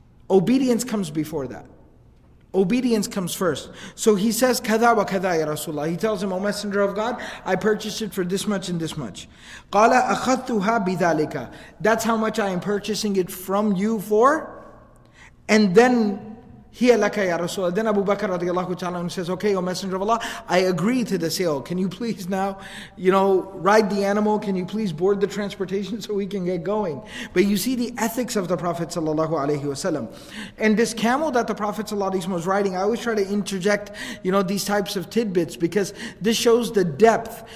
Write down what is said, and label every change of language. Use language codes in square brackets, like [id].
[en] Obedience comes before that. Obedience comes first. So he says, [ar] كَذَا وَكَذَا يَا رَسُولَ اللَّهِ. [en] He tells him, O Messenger of God, I purchased it for this much and this much. [ar] قَالَ أَخَذْتُهَا بِذَلِكَ. [en] That's how much I am purchasing it from you for. And then, [ar] هِيَ لَكَ يَا رَسُولَ اللَّهِ. [en] Then Abu Bakr radiallahu ta'ala says, okay, O Messenger of Allah, I agree to the sale. Can you please now, ride the animal? Can you please board the transportation so we can get going? But you see the ethics of the Prophet sallallahu alayhi wa sallam. And this camel that the Prophet sallallahu alayhi wa sallam was riding, I always try to interject, these types of tidbits because this shows the depth.